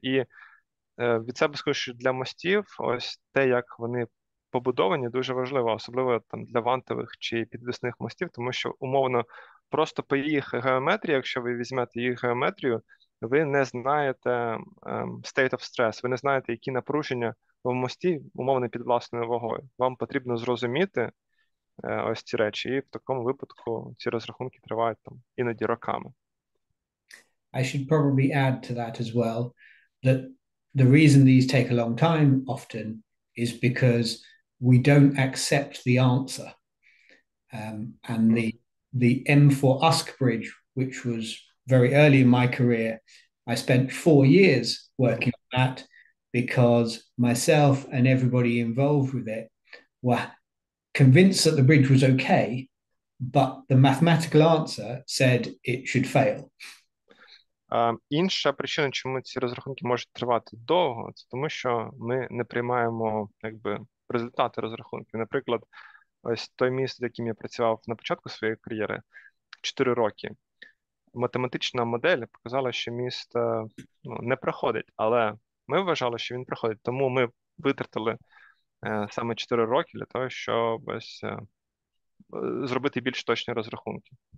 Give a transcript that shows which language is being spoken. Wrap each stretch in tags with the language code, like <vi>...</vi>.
<uk>І від себе скажу, що для мостів ось те, як вони побудовані, дуже важливо, особливо там для вантових чи підвісних мостів, тому що умовно просто по їх геометрії, якщо ви візьмете їх геометрію, ви не знаєте</uk> <en>state of stress,</en> <uk>ви не знаєте, які напруження в мості, умовно під власною вагою. Вам потрібно зрозуміти ось ці речі, і в такому випадку ці розрахунки тривають там іноді роками.</uk> <en>I should probably add to that as well that the reason these take a long time often is because we don't accept the answer. And the M4USC bridge, which was very early in my career, I spent 4 years working on that because myself and everybody involved with it were convinced that the bridge was okay, but the mathematical answer said it should fail.</en> <uk>Інша причина, чому ці розрахунки можуть тривати довго, це тому, що ми не приймаємо якби результати розрахунків. Наприклад, ось той міст, з яким я працював на початку своєї кар'єри, 4 роки, математична модель показала, що міст не проходить, але ми вважали, що він проходить, тому ми витратили саме 4 роки для того, щоб зробити більш точні розрахунки.</uk>